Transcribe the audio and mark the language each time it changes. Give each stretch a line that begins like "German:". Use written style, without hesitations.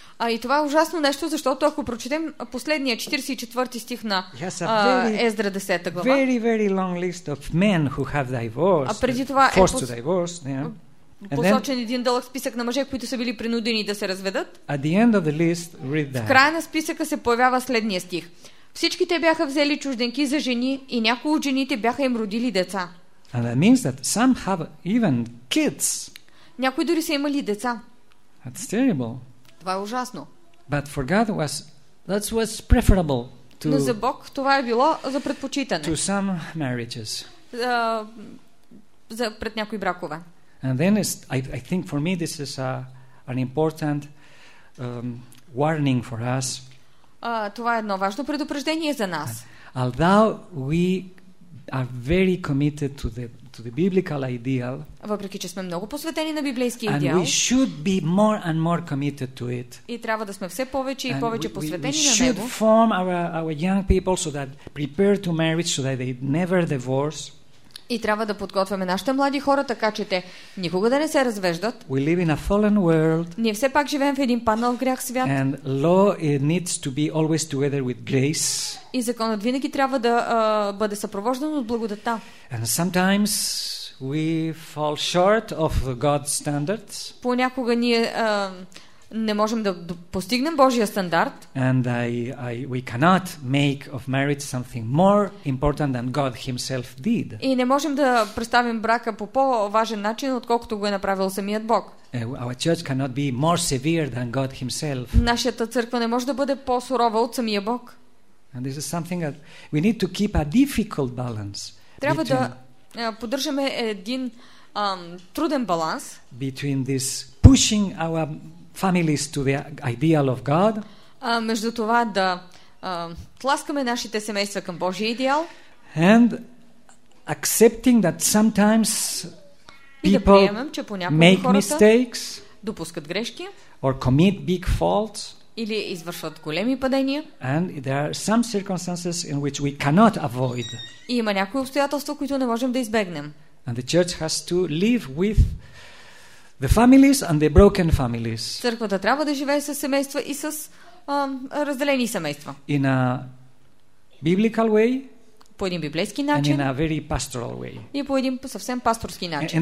Bulgarian: И това е ужасно нещо, защото ако прочетем последния 44-ти стих на Ездра 10-та глава.
English: Very, very long list of men who have divorced.
Bulgarian: А преди това
English: to divorce, yeah.
Bulgarian: Посочен един дълъг списък на мъже, които са били принудени да се разведат.
English: At the end of the list, read that.
Bulgarian: В края на списъка се появява следния стих. Всички те бяха взели чужденки за жени и някои от жените бяха им родили деца.
English: And that means that some have even kids.
Bulgarian: Някои дори са имали деца.
English: That's terrible.
Bulgarian: Това е ужасно.
English: But for God that was preferable to.
Bulgarian: Но за Бог това е било за предпочитане.
English: To some marriages.
Bulgarian: За пред някои бракове.
English: And then I think for me this is an important warning for us.
Bulgarian: Това е едно важно предупреждение за нас.
English: Although we are very committed to the biblical ideal.
Bulgarian: Въпреки че сме много посветени на библейски идеал.
English: And we should be more and more committed to it.
Bulgarian: И трябва да сме все повече и повече посветени на него.
English: We should form our young people so that prepare to marriage so that they never divorce.
Bulgarian: И трябва да подготвяме нашите млади хора, така че те никога да не се развеждат.
English: We live in a fallen world.
Bulgarian: Ние все пак живеем в един паднал грях свят.
English: And law needs to be always together with grace.
Bulgarian: И законът винаги трябва да бъде съпровождан от благодата.
English: And sometimes we fall short of God's standards.
Bulgarian: Понякога ние не можем да постигнем Божия стандарт.
English: And we cannot make of marriage something more important than God himself did.
Bulgarian: И не можем да представим брака по по-важен начин, отколкото го е направил самият Бог.
English: Our church cannot be more severe than God himself.
Bulgarian: Нашата църква не може да бъде по-сурова от самия Бог.
English: And this is something that we need to keep a difficult balance.
Bulgarian: Трябва да поддържаме един труден баланс
English: between this pushing our families to the ideal of God.
Bulgarian: Между това да тласкаме нашите семейства към Божия идеал.
English: And accepting that sometimes people
Bulgarian: да приемем,
English: make mistakes,
Bulgarian: допускат грешки,
English: or commit big faults.
Bulgarian: или извършват големи падения.
English: And there are some circumstances in which we cannot avoid.
Bulgarian: И има някои обстоятелства, които не можем да избегнем.
English: And the church has to live with the families and the broken families.
Bulgarian: Църквата трябва да живее със семейства и с разделени семейства.
English: In a biblical way.
Bulgarian: По един библейски начин.
English: And in a very pastoral way.
Bulgarian: И по един съвсем пасторски начин.